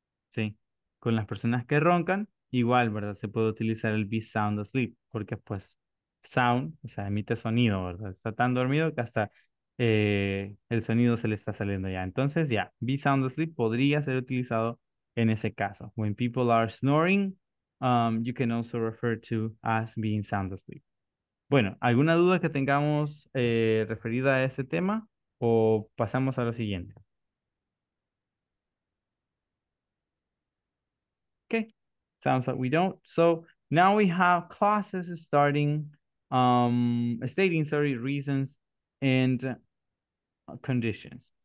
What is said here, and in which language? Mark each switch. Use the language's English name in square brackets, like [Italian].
[Spanish] Sí, con las personas que roncan, igual, ¿verdad? Se puede utilizar el [English] be sound asleep, [Spanish] porque pues sound, o sea, emite sonido, ¿verdad? Está tan dormido que hasta el sonido se le está saliendo ya. Entonces, ya, [English] be sound asleep [Spanish] podría ser utilizado en ese caso. [English] When people are snoring, you can also refer to as being sound asleep. [Spanish] Bueno, ¿alguna duda que tengamos referida a este tema o pasamos a lo siguiente? [English] Okay, sounds like we don't. So now we have classes starting, stating, sorry, reasons and conditions.